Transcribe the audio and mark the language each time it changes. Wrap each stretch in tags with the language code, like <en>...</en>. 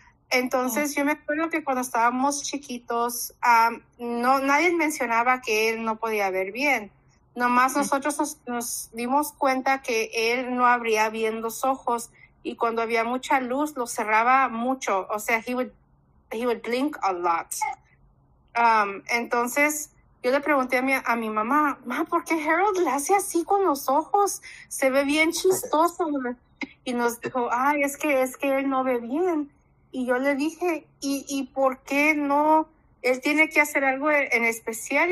<es>Entonces, yo me acuerdo que cuando estábamos chiquitos, nadie mencionaba que él no podía ver bien. Nomás nosotros nos dimos cuenta que él no abría bien los ojos y cuando había mucha luz, los cerraba mucho. O sea,</es> <en>he would blink a lot.</en> <es>Entonces, yo le pregunté a mi mamá, ma, ¿por qué Harold le hace así con los ojos? Se ve bien chistoso. Y nos dijo, ay, es que él no ve bien. Y yo le dije, ¿y por qué no? Él tiene que hacer algo en especial.</es>